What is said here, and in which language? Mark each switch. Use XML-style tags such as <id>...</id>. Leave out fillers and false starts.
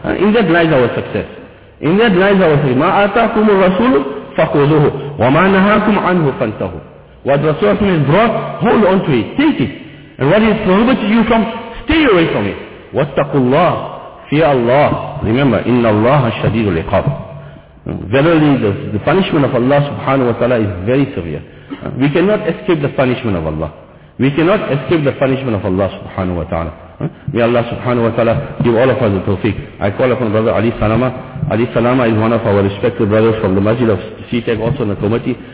<en>In that lies our success. In that lies our success.</en> <ar>مَا آتَاكُمُ الرَّسُولُ فَخُذُهُ وَمَا نَهَاكُمْ عَنْهُ فَانْتَهُ.</ar> <en>What Rasulullah has brought, hold on to it, take it. And what is prohibited you from, stay away from it.</en> <ar>وَاتَّقُوا اللَّهِ</ar> <en>Fear Allah. Remember,</en> <ar>إِنَّ اللَّهَ شَدِيدُ الْعِقَابِ.</ar> <en>Verily, the punishment of Allah subhanahu wa ta'ala is very severe. We cannot escape the punishment of Allah. We cannot escape the punishment of Allah subhanahu wa ta'ala. May Allah subhanahu wa ta'ala give all of us the tawfiq. I call upon brother Ali Salama. Ali Salama is one of our respected brothers from the Masjid of CTEC, also in the committee.</en>